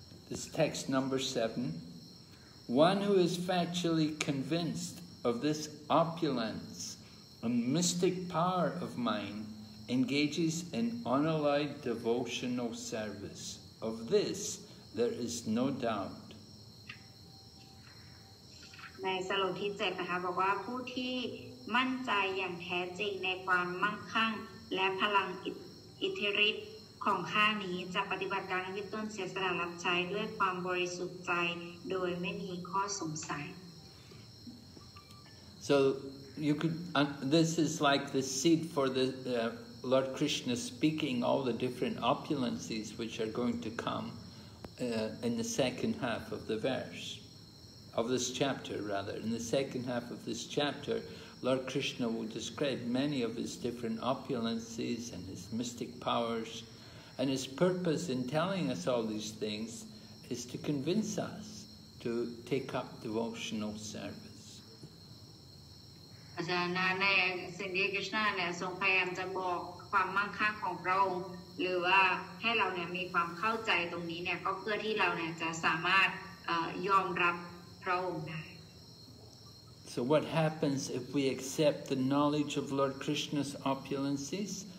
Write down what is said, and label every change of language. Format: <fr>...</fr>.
<en>This text number 7. One who is factually convinced of this opulence and mystic power of mine engages in unalloyed devotional service of this. There is no doubt.</en> <th>ในสโลกที่7นะคะบอกว่าผู้ที่มั่นใจอย่างแท้จริงในความมั่งคั่งและพลังอิทธิฤทธิ์ของข้านี้จะปฏิบัติการที่ต้นเสียสละรับใช้ด้วยความบริสุทธิ์ใจโดยไม่มีข้อสงสัย</th> <en>So you could this is like the seed for the Lord Krishna speaking all the different opulences which are going to comeIn the second half of the verse, of this chapter rather. In the second half of this chapter, Lord Krishna will describe many of his different opulences and his mystic powers. And his purpose in telling us all these things is to convince us to take up devotional service.</en> <th>อาจารย์นะในสิ่งที่กฤษณาเนี่ยทรงพยายามจะบอกความมั่งคั่งของพระองค์หรือว่าให้เราเนี่ยมีความเข้าใจตรงนี้เนี่ยก็เพื่อที่เราเนี่ยจะสามารถยอมรับพระองค์ได้</th> <en>So what happens if we accept the knowledge of Lord Krishna's opulences?</en>